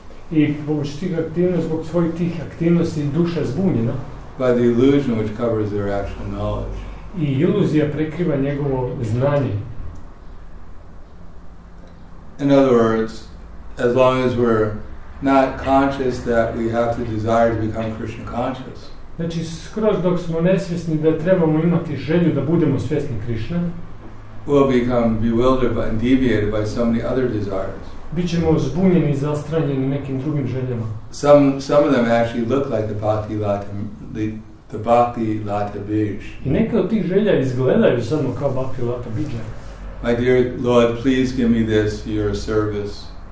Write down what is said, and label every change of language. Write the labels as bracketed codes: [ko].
[hr] I zbog svojih tih aktivnosti duša zbunjena. [en] By the illusion which covers their actual knowledge. [hr] I iluzija prekriva njegovo znanje. [en] In other words, as long as we're not conscious that we have to desire to become Krishna conscious. [hr] Znači, skroz dok smo nesvjesni da trebamo imati želju da budemo svjesni Krishna, [en] we'll become bewildered and deviated by so many other desires. [hr] Bit ćemo zbunjeni i zastranjeni nekim drugim željama. [en] Some of them actually look like the bhakti lata bija. [hr] I neke od tih želja izgledaju samo kao bhakti lata bija. [en] My dear Lord, please give me this for your service.